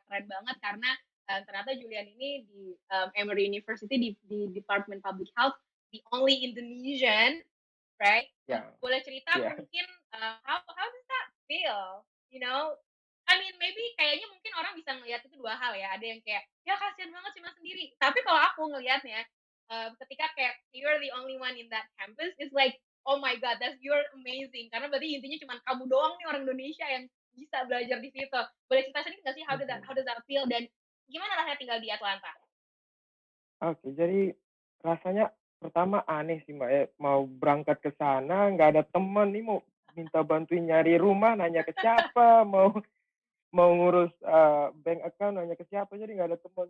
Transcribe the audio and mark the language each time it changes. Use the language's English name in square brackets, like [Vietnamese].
[Indonesian] Keren banget karena ternyata Julian ini di Emory University, di Department Public Health, [English] the only Indonesian, right? Yeah. [Indonesian] Boleh cerita [English] yeah. [Indonesian] Mungkin [English] how does that feel, you know? I mean, [Indonesian] maybe kayaknya mungkin orang bisa ngelihat itu dua hal ya. Ada yang kayak, ya kasihan banget cuma sendiri. Tapi kalau aku ngelihatnya, ketika kayak [English] you're the only one in that campus, it's like, oh my god, that's you're amazing. [Indonesian] Karena berarti intinya cuma kamu doang nih orang Indonesia yang bisa belajar di situ. Boleh cerita sedikit nggak sih [English] how does that feel [Indonesian] dan gimana rasanya tinggal di Atlanta? Okay, jadi rasanya pertama aneh sih mbak, mau berangkat ke sana nggak ada teman nih, mau minta bantuin nyari rumah nanya ke siapa, mau ngurus bank account nanya ke siapa, jadi nggak ada teman.